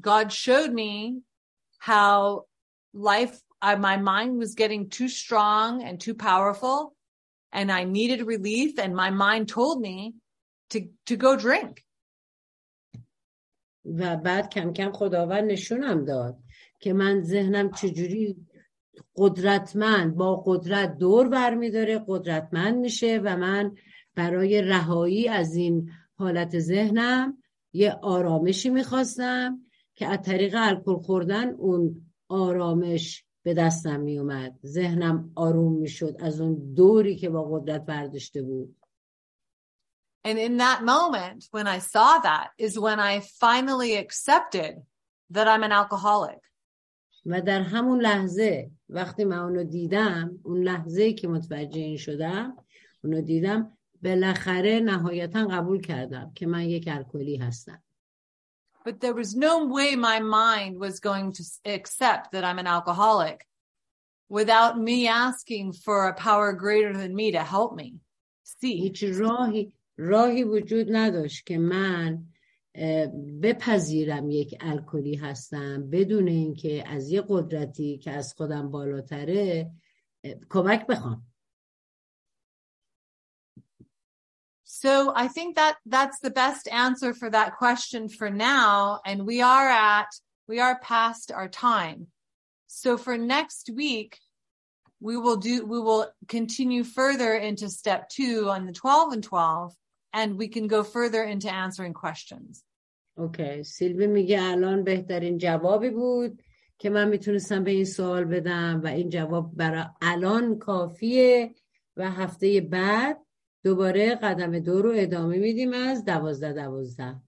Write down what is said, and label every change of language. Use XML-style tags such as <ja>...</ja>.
<en>God showed me how my mind was getting too strong and too powerful. And I needed relief, and my mind told me to go drink.</en> <fa>و بعد کم کم خداوند نشونم داد که من ذهنم چجوری قدرتمند با قدرت دور برمی‌داره، قدرتمند میشه و من برای رهایی از این حالت ذهنم یه آرامشی می‌خواستم که از طریق الکل خوردن اون آرامش به دستم می اومد، ذهنم آروم می شد از اون دوری که با قدرت برداشته بود.</fa> <en>And in that moment when I saw that is when I finally accepted that I'm an alcoholic.</en> <fa>و در همون لحظه وقتی من اونو دیدم، اون لحظه که متوجه این شدم، اونو دیدم، بالاخره نهایتا قبول کردم که من یک الکلی هستم.</fa> <en>But there was no way my mind was going to accept that I'm an alcoholic without me asking for a power greater than me to help me see.</en> <fa>هیچ راهی وجود نداشت که من بپذیرم یک الکلی هستم بدون اینکه از یه قدرتی که از خودم بالاتره کمک بخوام.</fa> <en>So I think that that's the best answer for that question for now. And we are past our time. So for next week, we will continue further into step two on the 12 and 12, and we can go further into answering questions.</en> <fa>Okay, Sylvie میگه الان بهترین جوابی بود که من میتونستم به این سوال بدم و این جواب برای الان کافیه و هفته بعد دوباره قدم دو رو ادامه میدیم از 12-12.</fa>